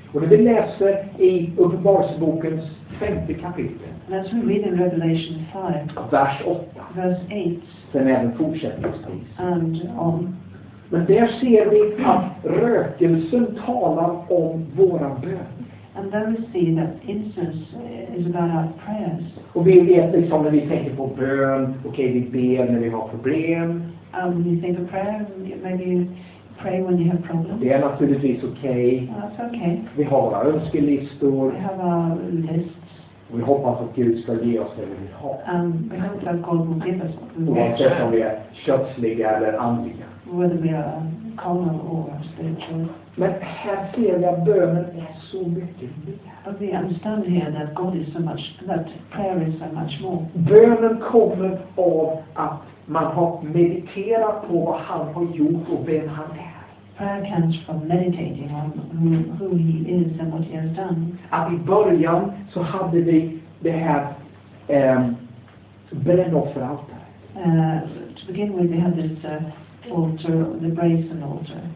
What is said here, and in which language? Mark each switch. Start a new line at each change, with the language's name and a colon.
Swedish: Och när vi läser i Uppenbarelsebokens femte kapitel.
English: Let's read in Revelation 5.
Swedish: Vers 8.
English: Verse 8.
Swedish: Sen är den fortsättningsvis.
English: And on.
Swedish: Men där ser vi att rökelsen talar om våra bön.
English: And then we see that incense is about our prayers.
Swedish: Och vi vet liksom när vi tänker på bön. Okej, vi ber när vi har problem.
English: When you think of prayer, maybe you pray when you have problems.
Swedish: Det är naturligtvis okej.
English: That's okay.
Swedish: Vi har våra önskelistor.
English: We have our lists.
Swedish: Vi hoppas att Gud ska ge oss det vi vill ha.
English: We hope that God will give us what we want.
Swedish: Oavsett om vi är kötsliga eller andliga.
English: Whether we are carnal or spiritual.
Swedish: Men här ser vi att bönen är så mycket mer.
English: But we understand here that God is so much, that prayer is so much more.
Swedish: Bönen kommer av att man har mediterat på vad han har gjort och vem han är.
English: Prayer comes from meditating on who he is and what he has done.
Swedish: Att i början så hade vi det här brännofferaltaret.
English: To begin with we had this altar, the brazen altar.